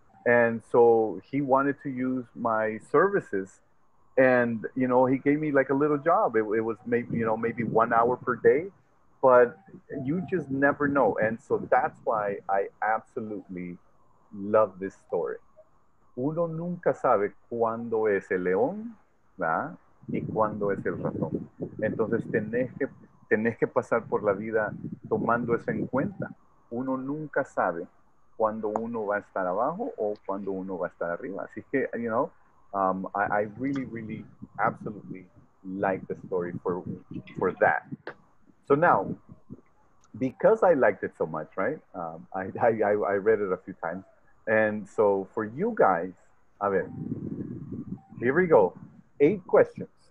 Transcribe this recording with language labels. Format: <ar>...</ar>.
<en>And so he wanted to use my services. And, you know, he gave me like a little job. It was maybe, you know, maybe 1 hour per day. But you just never know. And so that's why I absolutely love this story.</en> <es>Uno nunca sabe cuándo es el león, ¿verdad? Y cuándo es el ratón. Entonces, tenés que pasar por la vida tomando eso en cuenta. Uno nunca sabe cuándo uno va a estar abajo o cuándo uno va a estar arriba. Así que,</es> <en>you know, I really, really, absolutely like the story for that. So now, because I liked it so much, right? I read it a few times. And so for you guys,</en> <es>a ver,</es> <en>here we go. 8 questions.</en>